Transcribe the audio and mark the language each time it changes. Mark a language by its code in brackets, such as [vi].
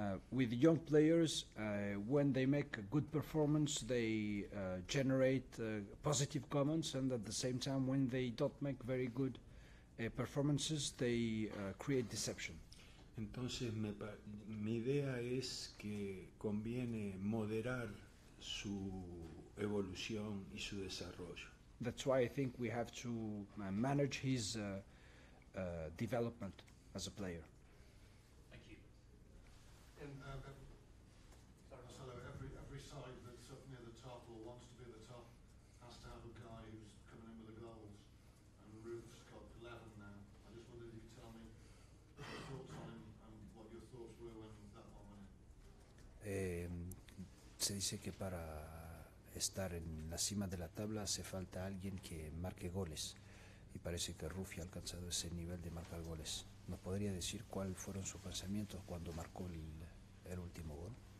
[en] With young players, when they make a good performance, they generate positive comments, and at the same time, when they don't make very good performances, they create deception. [es] Entonces, mi idea es que conviene moderar su evolución y su desarrollo. [en] That's why I think we have to manage his development as a player. Every side that's up near the top or wants to be at the top has to have a guy who's coming in with the goals, and Ruth's got 11 now. I just wondered if you could tell me your thoughts on him and what your thoughts were when that one went in. [es] Se dice que para estar en la cima de la tabla hace falta alguien que marque goles, y parece que Rufi ha alcanzado ese nivel de marcar goles. ¿Nos podría decir cuáles fueron sus pensamientos cuando marcó el último gol?